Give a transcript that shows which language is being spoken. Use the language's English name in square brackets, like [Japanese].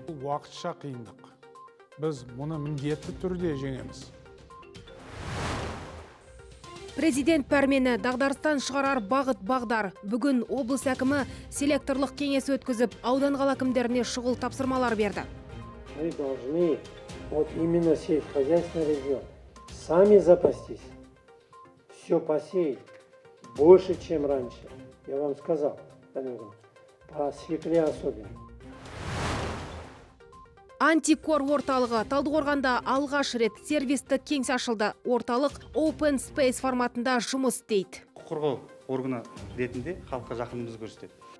[Kazakh] Уақытша қиындық. Біз мұны міндетті түрде жеңеміз. Президент пәрмені дағдарыстан шығарар бағыт-бағдар. Бүгін облыс әкімі селекторлық кеңес өткізіп, аудан қалакімдеріне шұғыл тапсырмалар берді. [Russian] Мы должны вот именно сельскохозяйственный регион сами запастись, все посеять больше, чем раньше. Я вам сказал, по свекле особенно. [Kazakh] Антикор орталығы Талдықорғанда алғаш рет сервисті кеңсе ашылды. Орталық Open Space форматында жұмыс істейді. Құқық қорғау органы ретінде халыққа жақынымызды көрсетеді.